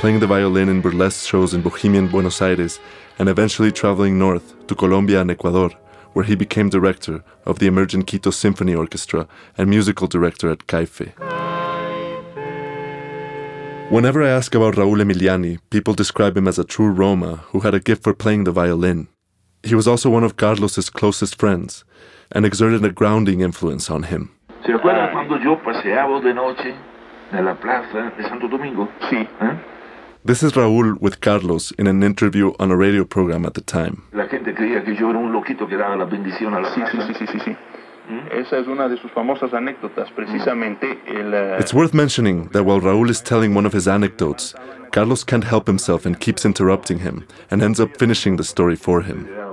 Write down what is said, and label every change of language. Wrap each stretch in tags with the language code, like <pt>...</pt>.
<en>playing the violin in burlesque shows in Bohemian Buenos Aires, and eventually traveling north to Colombia and Ecuador, where he became director of the emerging Quito Symphony Orchestra and musical director at Caife. Whenever I ask about Raúl Emiliani, people describe him as a true Roma who had a gift for playing the violin. He was also one of Carlos's closest friends and exerted a grounding influence on him.</en> <es>¿Se acuerdan cuando yo paseaba de noche en la plaza de Santo Domingo? Sí.</es> <en>This is Raúl with Carlos in an interview on a radio program at the time.</en> <es>La gente creía que yo era un loquito que daba la bendición a la plaza. Sí. Esa es una de sus famosas anécdotas, precisamente el...</es> <en>It's worth mentioning that while Raúl is telling one of his anecdotes, Carlos can't help himself and keeps interrupting him and ends up finishing the story for him.</en>